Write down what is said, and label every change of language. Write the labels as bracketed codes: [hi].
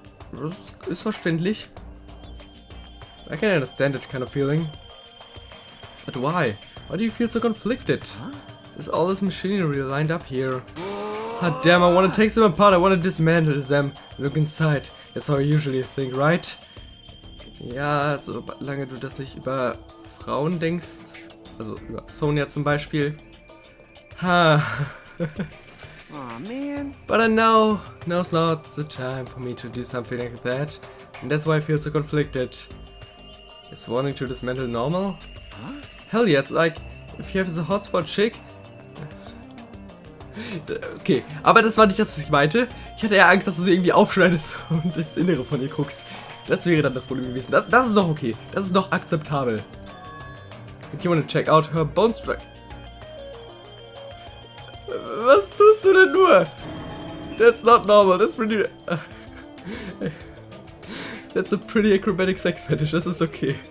[de] Das ist verständlich. [en] I can understand that kind of feeling. But why? Why do you feel so conflicted? Huh? Is all this machinery lined up here? Ah, damn, I want to take them apart, I want to dismantle them. Look inside, that's how I usually think, right? [de] Ja, solange du das nicht über Frauen denkst. Also über Sonya zum Beispiel. Ha. [en] Aw, man. But I know now's not the time for me to do something like that. And that's why I feel so conflicted. Is wanting to dismantle normal? Huh? Hell yeah, it's like, if you have the hotspot chick... [de] Okay, aber das war nicht das, was ich meinte. Ich hatte eher Angst, dass du sie irgendwie aufschneidest und ins Innere von ihr guckst. Das wäre dann das Problem gewesen. Das ist doch okay. Das ist doch akzeptabel. [en] If you want to check out her bone structure... [de] Was tust du denn nur? [en] That's not normal, that's pretty... That's a pretty acrobatic sex fetish, this is okay.